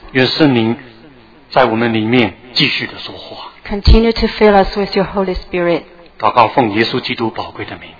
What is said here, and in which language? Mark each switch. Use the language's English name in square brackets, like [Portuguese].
[Chinese] 愿圣灵在我们里面继续的说话。 [English] Continue to fill us with your Holy Spirit. [Chinese] 祷告奉耶稣基督宝贵的名。